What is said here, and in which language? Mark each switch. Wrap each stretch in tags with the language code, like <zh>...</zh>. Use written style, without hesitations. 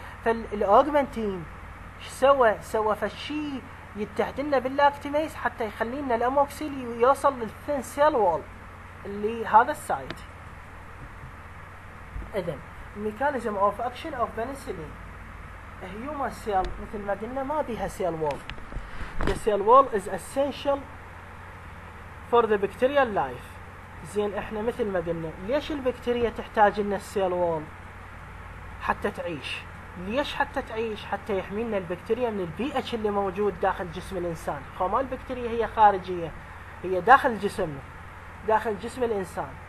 <ar>فالاوغمنتين شو سوى؟ سوى فشي يتحد لنا باللاكتميز حتى يخلي لنا الاموكسيل يوصل للثين سيل وول اللي هذا السايت. اذا</ar> <en>mechanism of action of penicillin. A human cell</en> <ar>مثل ما قلنا ما بيها</ar> <en>cell wall. The cell wall is essential for the bacterial life.</en> <ar>زين احنا مثل ما قلنا ليش البكتيريا تحتاج لنا cell wall حتى تعيش؟ ليش حتى تعيش؟ حتى يحمينا البكتيريا من البي اتش اللي موجود داخل جسم الانسان. هو ما البكتيريا هي خارجية، هي داخل جسمنا، داخل جسم الانسان.</ar>